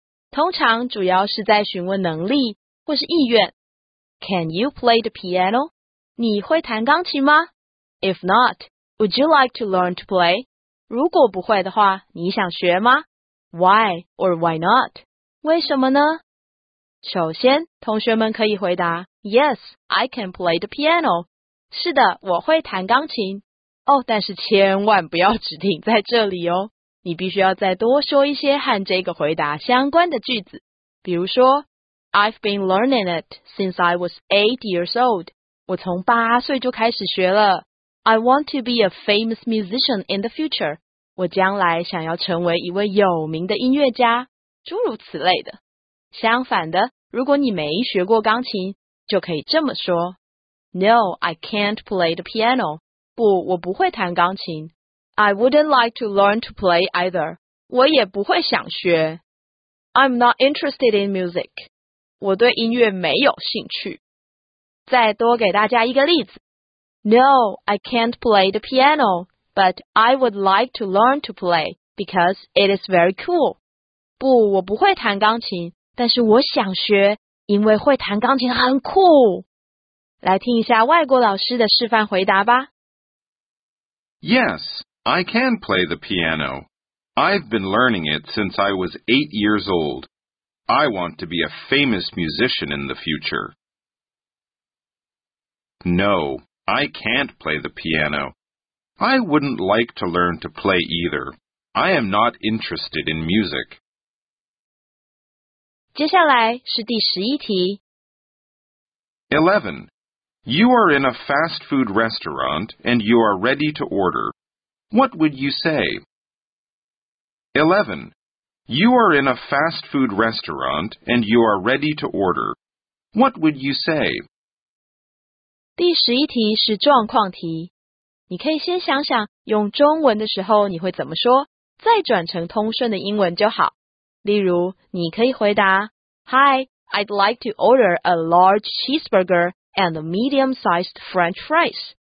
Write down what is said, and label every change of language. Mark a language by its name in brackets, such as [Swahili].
[Chinese] 通常主要是在询问能力或是意愿。 [English] Can you play the piano? [Chinese] 你会弹钢琴吗？ [English] If not,Would you like to learn to play? [Chinese] 如果不会的话，你想学吗？ [English] Why or why not? [Chinese] 为什么呢？首先，同学们可以回答 [English] Yes, I can play the piano. [Chinese] 是的，我会弹钢琴。哦，但是千万不要只停在这里哦。你必须要再多说一些和这个回答相关的句子。比如说 [English] I've been learning it since I was 8 years old. [Chinese] 我从八岁就开始学了。 [English] I want to be a famous musician in the future. [Chinese] 我将来想要成为一位有名的音乐家，诸如此类的。相反的，如果你没学过钢琴，就可以这么说。 [English] No, I can't play the piano. [Chinese] 不，我不会弹钢琴。 [English] I wouldn't like to learn to play either. [Chinese] 我也不会想学。 [English] I'm not interested in music. [Chinese] 我对音乐没有兴趣。再多给大家一个例子。 [English] No, I can't play the piano, but I would like to learn to play because it is very cool. [Chinese] 不，我不会弹钢琴，但是我想学，因为会弹钢琴很酷。来听一下外国老师的示范回答吧。 [English] Yes, I can play the piano. I've been learning it since I was 8 years old. I want to be a famous musician in the future. No. I can't play the piano. I wouldn't like to learn to play either. I am not interested in music. [Chinese] 接下来是第十一题。 11. [English] You are in a fast food restaurant and you are ready to order. What would you say? 11. You are in a fast food restaurant and you are ready to order. What would you say? [Chinese] 第十一题是状况题，你可以先想想用中文的时候你会怎么说，再转成通顺的英文就好。例如，你可以回答 [English] Hi, I'd like to order a large cheeseburger and a medium-sized French fries.